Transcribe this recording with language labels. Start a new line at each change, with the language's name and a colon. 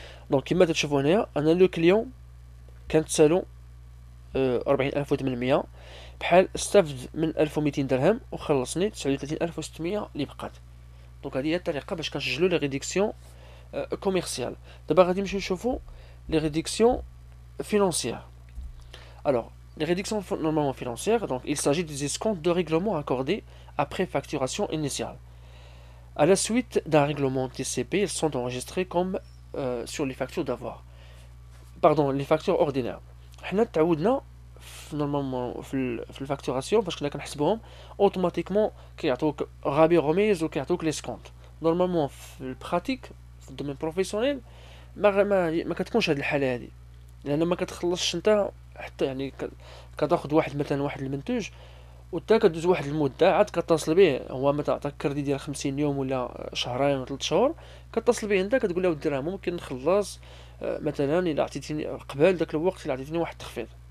Arabic: دونك كما تشوفوا هنايا انا لو كليون كانت سالو 40800، بحال استفد من 1200 درهم وخلصني 39600 اللي بقات. دونك هذه هي الطريقه باش كنسجلوا لي ريديكسيون كوميرسيال. دابا غادي نمشيو نشوفوا لي ريديكسيون فينانسيير. الوغ لي ريديكسيون نورمالمون فينانسيير، دونك
French: il s'agit des escomptes de règlement accordés après facturation initiale à la suite d'un règlement TCP, ils sont enregistrés comme sur les factures d'avoir. Pardon, les factures ordinaires.
Arabic: حنا تعودنا normalement في الفاكتوراسيون فاش كنا كنحسبوهم اوتوماتيكمون كيعطوك غابي غوميز وكيعطوك لي سكونت. نورمالمون في البراتيك في الدومين بروفيسيونيل ما كتكونش هذه الحاله هذه، لان ما كتخلصش انت حتى يعني كتاخذ واحد مثلا واحد المنتوج وتا كدوز واحد المده عاد كتصل به، هو ما تعطاك كردي ديال 50 يوم ولا شهرين ولا 3 شهور، كتصل به انت كتقول له ودي راه ممكن نخلص مثلا الا عطيتيني قبل داك الوقت الا عطيتيني واحد التخفيض.